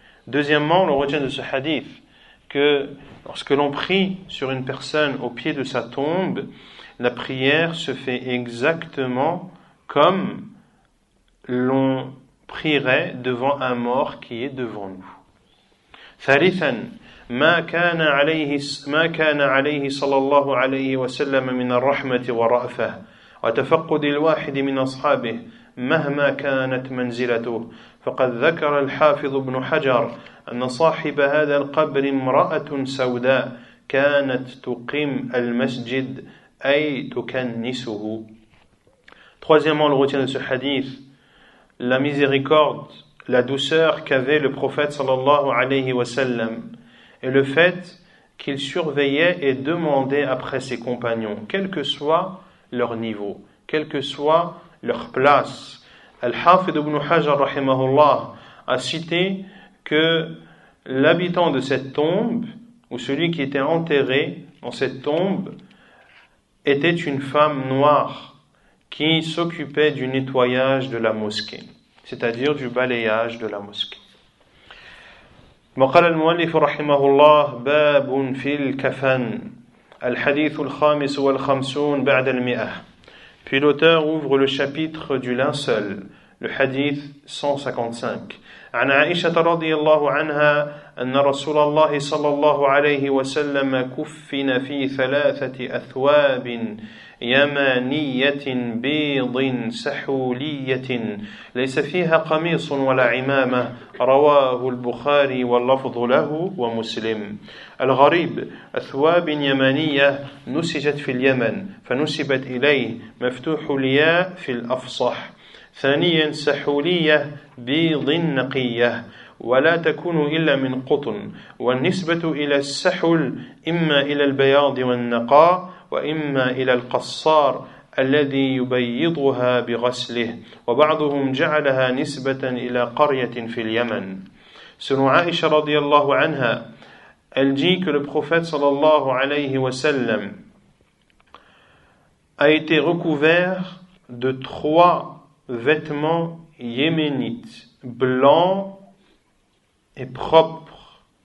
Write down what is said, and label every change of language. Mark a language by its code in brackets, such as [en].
[fr] Deuxièmement, on retient de ce hadith que lorsque l'on prie sur une personne au pied de sa tombe, la prière se fait exactement comme l'on prierait devant un mort qui est devant nous. [ar] Thalithan, ما كان عليه صلى الله عليه وسلم من الرحمة والرأفة وتفقد الواحد من أصحابه مهما كانت منزلته فقد ذكر الحافظ ابن حجر أن صاحب هذا القبر امرأة سوداء كانت تقيم المسجد أي تكنسه. [fr] Troisièmement, le retien de ce hadith, la miséricorde, la douceur qu'avait le prophète [ar] صلى الله عليه وسلم [fr] et le fait qu'il surveillait et demandait après ses compagnons, quel que soit leur niveau, quel que soit leur place. Al-Hafidh ibn Hajar rahimahullah a cité que l'habitant de cette tombe, ou celui qui était enterré dans cette tombe, était une femme noire qui s'occupait du nettoyage de la mosquée, c'est-à-dire du balayage de la mosquée. [ar] وقال المؤلف رحمه الله باب في الكفن الحديث الخامس والخمسون بعد المئة. [fr] Puis l'auteur ouvre le chapitre du linceul, le hadith 155. [ar] عن عائشة رضي الله عنها أن رسول الله صلى الله عليه وسلم كفن في ثلاثة أثواب يمانية بيض سحولية ليس فيها قميص ولا عمامة رواه البخاري واللفظ له ومسلم. الغريب أثواب يمانية نسجت في اليمن فنسبت إليه مفتوح الياء في الأفصح. ثانيا سحولية بيض نقية ولا تكون إلا من قطن والنسبة إلى السحل إما إلى البياض والنقاء وإما إلى القصار الذي يبيضها بغسله وبعضهم جعلها نسبة إلى قرية في اليمن. سنو عائشة رضي الله عنها [fr] elle dit que le prophète [ar] صلى الله عليه وسلم [fr] a été recouvert de trois vêtements yéménites blancs et propres.